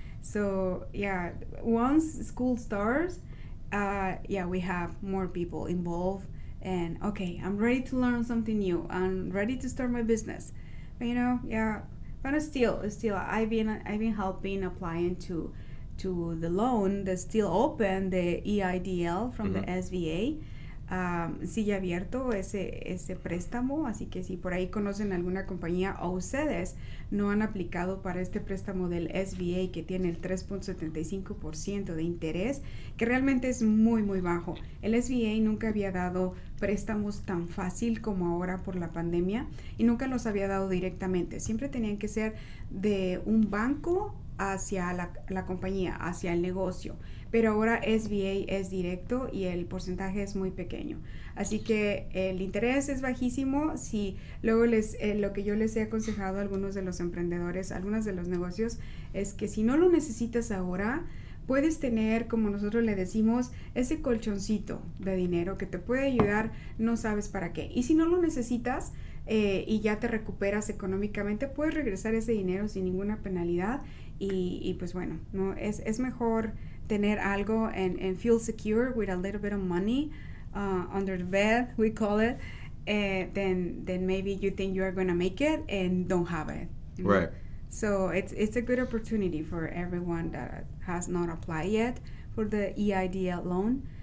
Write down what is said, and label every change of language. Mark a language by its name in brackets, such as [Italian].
[English] So, yeah, once school starts, we have more people involved. And, okay, I'm ready to learn something new. I'm ready to start my business. But, you know, yeah, but still, I've been helping applying to the loan that's still open, the EIDL from the SBA. [Spanish] sigue abierto ese préstamo, así que si por ahí conocen alguna compañía o ustedes no han aplicado para este préstamo del SBA que tiene el 3.75% de interés, que realmente es muy muy bajo. El SBA nunca había dado préstamos tan fácil como ahora por la pandemia y nunca los había dado directamente, siempre tenían que ser de un banco hacia la compañía, hacia el negocio. Pero ahora SBA es directo y el porcentaje es muy pequeño. Así que el interés es bajísimo. Si luego lo que yo les he aconsejado a algunos de los emprendedores, algunos de los negocios, es que si no lo necesitas ahora, puedes tener, como nosotros le decimos, ese colchoncito de dinero que te puede ayudar, no sabes para qué. Y si no lo necesitas, y ya te recuperas económicamente, puedes regresar ese dinero sin ninguna penalidad. Y pues bueno, no es mejor tener algo [English] and feel secure with a little bit of money under the bed, we call it, then maybe you think you are going to make it and don't have it. Right. So it's a good opportunity for everyone that has not applied yet for the EIDL loan.